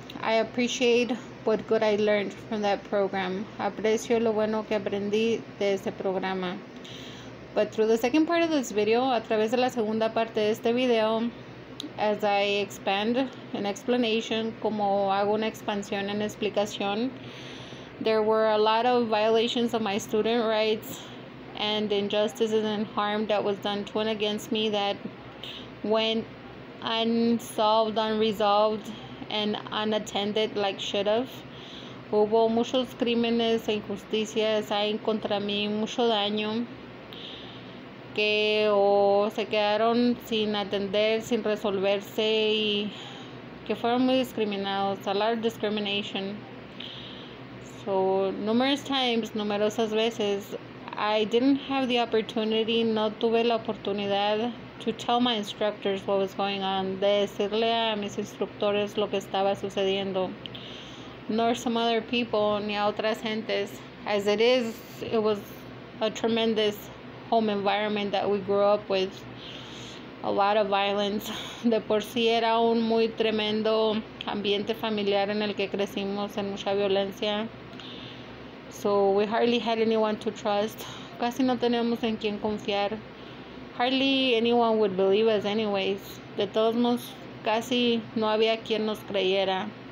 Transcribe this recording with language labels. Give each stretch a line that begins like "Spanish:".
English: I appreciate what good I learned from that program.
Spanish: Aprecio lo bueno que aprendí de ese programa.
English: But through the second part of this video,
Spanish: a través de la segunda parte de este video,
English: as I expand an explanation,
Spanish: como hago una expansión en explicación,
English: there were a lot of violations of my student rights and injustices and harm that was done to and against me that went unsolved, unresolved, and unattended like should have.
Spanish: Hubo muchos crímenes e injusticias, hay contra mí mucho daño. Que o se quedaron sin atender, sin resolverse y que fueron muy discriminados,
English: a lot of discrimination. So, numerous times,
Spanish: numerosas veces,
English: I didn't have the opportunity,
Spanish: no tuve la oportunidad
English: to tell my instructors what was going on,
Spanish: de decirle a mis instructores lo que estaba sucediendo,
English: nor some other people,
Spanish: ni a otras gentes.
English: As it is, it was a tremendous home environment that we grew up with, a lot of violence.
Spanish: De por sí era un muy tremendo ambiente familiar en el que crecimos, en mucha violencia.
English: So we hardly had anyone to trust.
Spanish: Casi no teníamos en quién confiar.
English: Hardly anyone would believe us anyways.
Spanish: De todos modos, casi no había quien nos creyera.